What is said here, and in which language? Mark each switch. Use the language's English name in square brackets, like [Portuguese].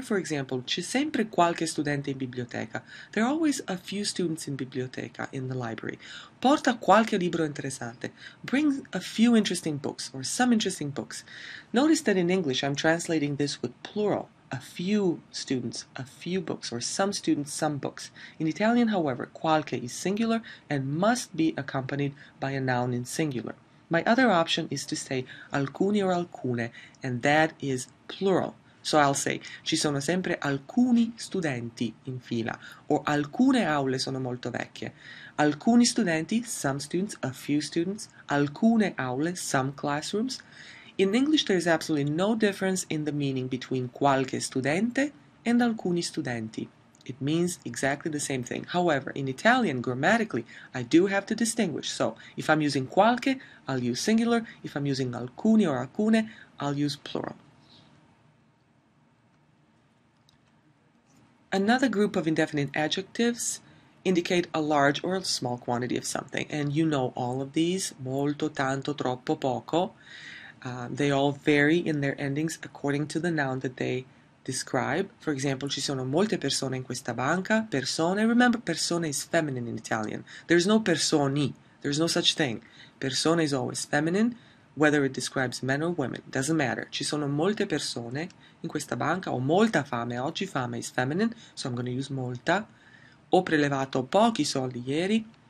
[English] For example, [Italian] c'è sempre qualche studente in biblioteca. [English] There are always a few students in biblioteca, in the library. [Italian] Porta qualche libro interessante. [English] Bring a few interesting books or some interesting books. Notice that in English, I'm translating this with plural. A few students, a few books, or some students, some books. In Italian, however, qualche is singular and must be accompanied by a noun in singular. My other option is to say alcuni or alcune, and that is plural. So I'll say, [Italian] ci sono sempre alcuni studenti in fila, or alcune aule sono molto vecchie. Alcuni studenti, [English] some students, a few students, [Italian] alcune aule, [English] some classrooms. In English, there is absolutely no difference in the meaning between qualche studente and alcuni studenti. It means exactly the same thing. However, in Italian, grammatically, I do have to distinguish. So, if I'm using qualche, I'll use singular. If I'm using alcuni or alcune, I'll use plural. Another group of indefinite adjectives indicate a large or a small quantity of something. And you know all of these, molto, tanto, troppo, poco. They all vary in their endings according to the noun that they describe. For example, [Italian] ci sono molte persone in questa banca. [English] Persone, remember, persone is feminine in Italian. There is no persone, there is no such thing. Persone is always feminine, whether it describes men or women. Doesn't matter. [Italian] Ci sono molte persone in questa banca. Ho molta fame. [English] Oggi fame is feminine, so I'm going to use molta. [Italian] Ho prelevato pochi soldi ieri.